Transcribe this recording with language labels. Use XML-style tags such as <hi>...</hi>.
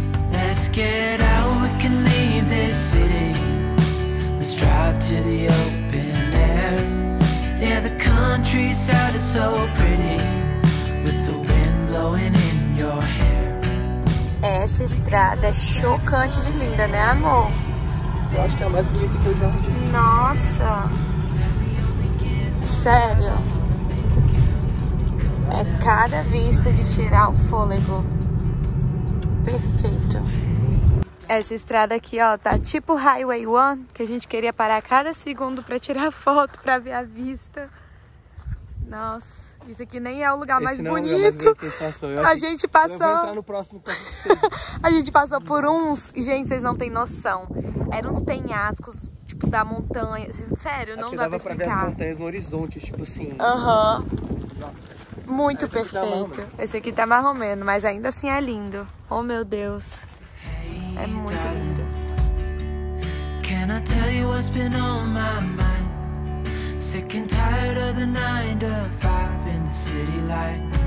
<en>Let's get out, we can leave this city. Let's drive to the open air. Yeah, the countryside is so pretty with the wind blowing in your hair.</en> <pt>Essa estrada é chocante de linda, né, amor? Eu acho que é a mais bonita que eu já vi. Nossa. Sério. É cada vista de tirar o fôlego. Perfeito. Essa estrada aqui, ó, tá tipo Highway 1, que a gente queria parar cada segundo pra tirar foto, pra ver a vista. Nossa, isso aqui nem é o lugar mais bonito. A gente passou... Eu vou entrar no próximo. A gente passou por uns... Gente, vocês não têm noção. Eram uns penhascos, tipo, da montanha. Sério, não dá pra explicar. Dava pra ver as montanhas no horizonte, tipo assim. Aham. Muito esse perfeito. Aqui tá, esse aqui tá marromeno, mas ainda assim é lindo. Oh, meu Deus. É muito lindo.</pt> <en>Can I tell you what's been on my mind? Sick and tired of the 9-to-5 in the city light.</en>